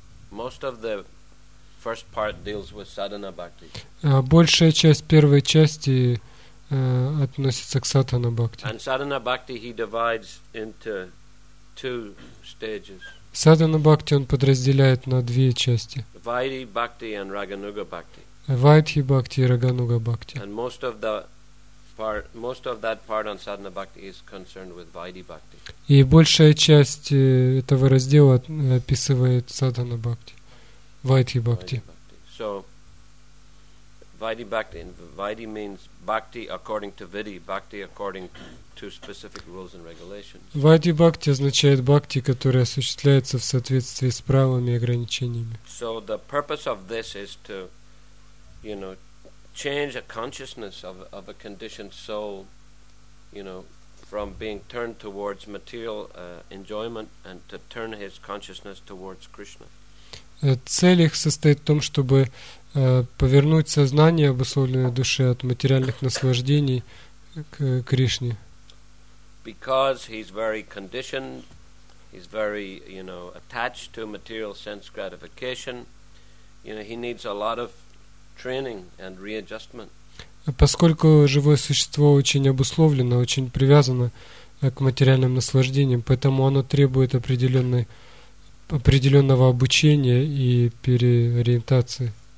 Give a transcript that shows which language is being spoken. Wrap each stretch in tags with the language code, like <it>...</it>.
<en>Most of the first part deals with sadhana bhakti.</en> <ru>Большая часть первой части относится к садхана бхакти.</ru> <en>And sadhana bhakti he divides into two stages.</en> <ru>Садхана бхакти он подразделяет на две части.</ru> <en>Vaidhi bhakti and raganuga bhakti.</en> <ru>Vaidhi bhakti и raganuga bhakti.</ru> <en>And most of that part on sadhana bhakti is concerned with vaidhi bhakti.</en> <ru>И большая часть этого раздела описывает садхана бхакти.</ru> <en>Vaidhi bhakti. So, vaidhi bhakti. Vaidhi means bhakti according to vidhi, bhakti according to specific rules and regulations.</en> <ru>Vaidhi bhakti означает бхакти, которая осуществляется в соответствии с правилами и ограничениями.</ru> <en>So the purpose of this is to, you know, change a consciousness of a conditioned soul, you know, from being turned towards material enjoyment and to turn his consciousness towards Krishna.</en> <ru>Цель их состоит в том, чтобы повернуть сознание обусловленной души от материальных наслаждений к Кришне.</ru> <en>Because he's very conditioned, he's very, you know, attached to material sense gratification, you know, he needs a lot of training and readjustment.</en> <ru>Поскольку живое существо очень обусловлено, очень привязано к материальным наслаждениям, поэтому оно требует определенной определенного обучения и переориентации.</ru>